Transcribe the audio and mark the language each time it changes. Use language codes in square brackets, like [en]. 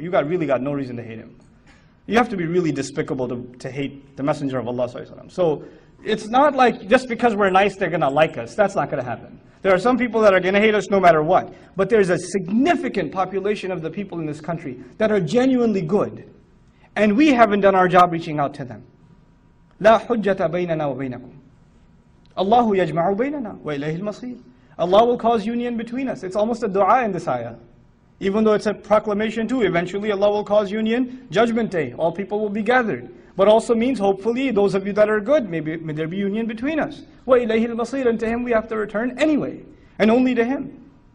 [en] You got really got no reason to hate him. You have to be really despicable to hate the Messenger of Allah, sallallahu alayhi wa sallam. So, it's not like just because we're nice, they're going to like us. That's not going to happen. There are some people that are going to hate us no matter what. But there's a significant population of the people in this country that are genuinely good. And we haven't done our job reaching out to them. [ar] لا حجة بيننا وبينكم. الله يجمع بيننا وإليه المصير. [en] Allah will cause union between us. It's almost a dua in this ayah. Even though it's a proclamation too, eventually Allah will cause union, judgment day, all people will be gathered. But also means hopefully those of you that are good, maybe may there be union between us. [ar] وَإِلَيْهِ الْمَصِيرِ [en] And to Him we have to return anyway, and only to Him.